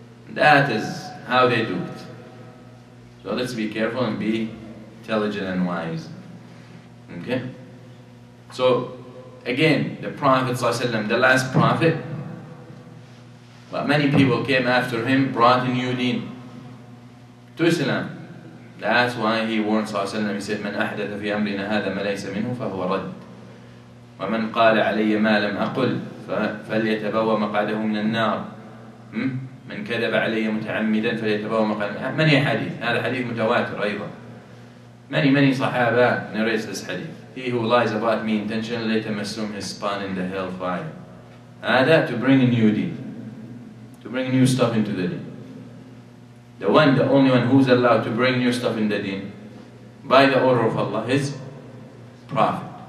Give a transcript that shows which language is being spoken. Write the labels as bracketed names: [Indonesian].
[English] That is how they do it. So let's be careful and be intelligent and wise. Okay? So again, the Prophet ﷺ, the last Prophet, but many people came after him, brought a new deen to Islam. That's why he warned ﷺ, he said, [Arabic] مَنْ أَحْدَثَ فِي أَمْرِنَا هَذَا مَلَيْسَ مِنْهُ فَهُوَ رَدٍّ وَمَنْ قَالَ عَلَيَّ مَا لَمْ أَقُلْ فَلْيَتَبَوَّ مَقَعْدَهُ مِنَ النَّارِ مَنْ كَذَبَ عَلَيَّ مُتَعَمِّدًا فَلْيَتَبَوَّ مَقَعْدَهُ. [English] Many hadith, [Arabic] هذا حديث متواتر أيضا. [English] Many صحابة narrate this hadith. He who lies about me intentionally, let him assume his spawn in the hell fire. Ada, to bring a new deen. To bring new stuff into the deen. The one, the only one who's allowed to bring new stuff in the deen, by the order of Allah, is Prophet.